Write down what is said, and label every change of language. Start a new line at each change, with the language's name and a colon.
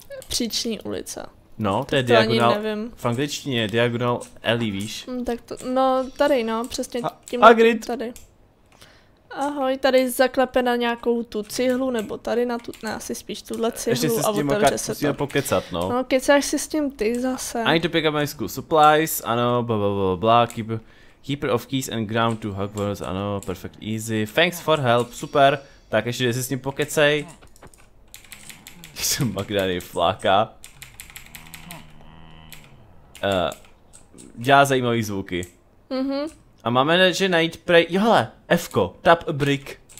Czech: Příční ulice. No, to je to Diagonal, ani nevím. V angličtině je Diagonal Alley, víš? Tak to, no tady no, přesně tím. Hagrid! Tady. Ahoj, tady zaklepe na nějakou tu cihlu, nebo tady na tu, ne, asi spíš tuhle cihlu. Ještě se s tím musíme pokecat, no. No, kecáš si s tím ty zase.
English: I need to pick up my school supplies, ano, blablabla, keeper of keys and ground to Hogwarts, ano, perfect, easy, thanks for help, super.
Czech: Tak ještě si s tím pokecej. Jsem Magdany fláka. Dělá zajímavý zvuky. Mhm. A máme, že najít prej... Jole, F-ko,
English: tap a brick.